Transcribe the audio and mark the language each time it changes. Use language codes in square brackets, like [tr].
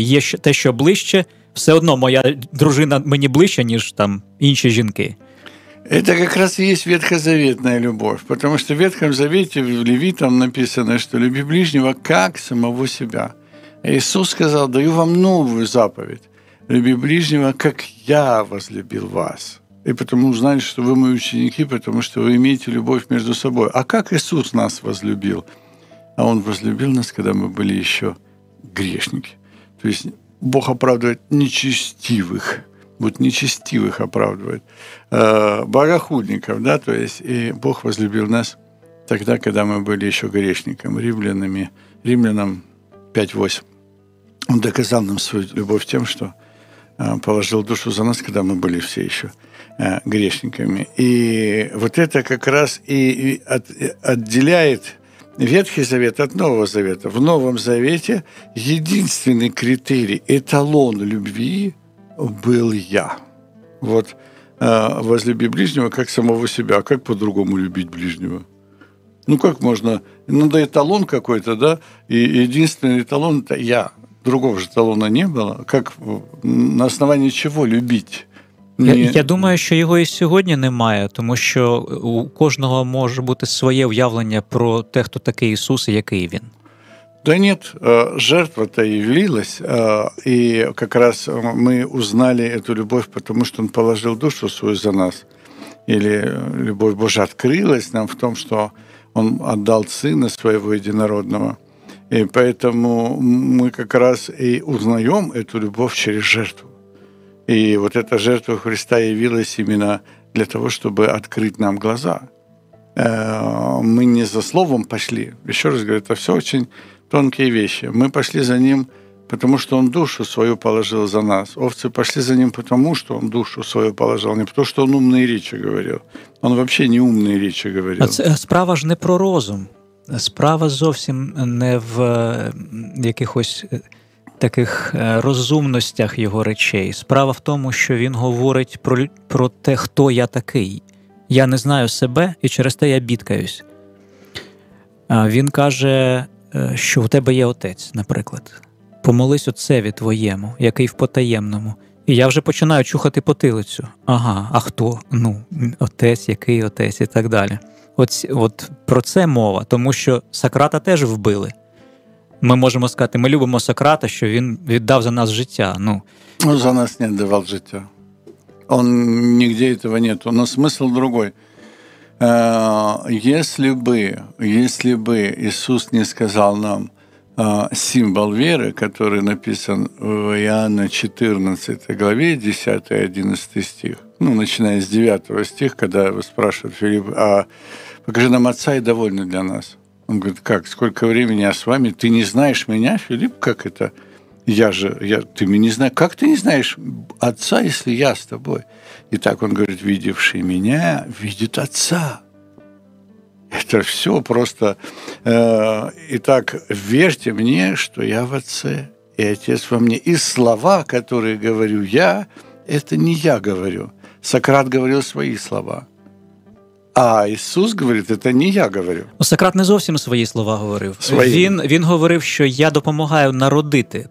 [uk] Є те, що ближче, все одно моя дружина мені ближче, ніж там інші жінки. Це якраз і є ветхозаветна любов. Тому що в Ветхому Завіті, в Левітам написано, що люби ближнього, як самого себе. Ісус сказав, даю вам нову заповідь. [ru] Люби ближнего, как я возлюбил вас. И потому узнали, что вы мои ученики, потому что вы имеете любовь между собой. А как Иисус нас возлюбил? А Он возлюбил нас, когда мы были еще грешники. То есть Бог оправдывает нечестивых. Вот нечестивых оправдывает. Богохульников, да? То есть и Бог возлюбил нас тогда, когда мы были еще грешниками. Римлянам 5:8. Он доказал нам свою любовь тем, что положил душу за нас, когда мы были все еще грешниками. И вот это как раз и отделяет Ветхий Завет от Нового Завета. В Новом Завете единственный критерий, эталон любви был я. Вот возлюби ближнего как самого себя, а как по-другому любить ближнего? Ну как можно? Надо эталон какой-то, да? И единственный эталон – это я. [uk] Другого же талона не було, як на основі чого любити? Я думаю, що його і сьогодні немає, тому що у кожного може бути своє уявлення про те, хто такий Ісус і який Він. Та ні, жертва-то явилась, і якраз ми узнали цю любов, тому що Він положив душу свою за нас. Или любов Божа відкрилась нам в тому, що Він віддав Сина Своєго Єдинородного. [ru] И поэтому мы как раз и узнаем эту любовь через жертву. И вот эта жертва Христа явилась именно для того, чтобы открыть нам глаза. Мы не за словом пошли. Еще раз говорю, это все очень тонкие вещи. Мы пошли за Ним, потому что Он душу свою положил за нас. Овцы пошли за Ним, потому что Он душу свою положил, не потому что Он умные речи говорил. Он вообще не умные речи говорил. [uk] Справа ж не про розум. Справа зовсім не в якихось таких розумностях його речей. Справа в тому, що він говорить про те, хто я такий. Я не знаю себе, і через те я бідкаюсь. Він каже, що у тебе є отець, наприклад. Помолись отцеві твоєму, який в потаємному. І я вже починаю чухати потилицю. Ага, а хто? Ну, отець, який отець і так далі. От про це мова, тому що Сократа теж вбили. Ми можемо сказати, ми любимо Сократа, що він віддав за нас життя. Ну, за нас не віддавав життя. [ru] Он нигде цього нету. Но смысл другой. Если бы Иисус не сказал нам символ веры, который написан в Иоанна 14 главе, 10-11 стих, ну, начиная с 9 стиха, когда его спрашивают, Филипп, а покажи нам Отца и довольны для нас. Он говорит, как, сколько времени я с вами? Ты не знаешь меня, Филипп, как это? Ты меня не знаешь. Как ты не знаешь Отца, если я с тобой? И так он говорит, видевший меня, видит Отца. Это все просто. Итак, верьте мне, что я в Отце, и Отец во мне. И слова, которые говорю я, это не я говорю. Сократ говорил свои слова. [uk] А Ісус говорить, це не я говорю. Сократ не зовсім свої слова говорив. Він говорив, що я допомагаю народити.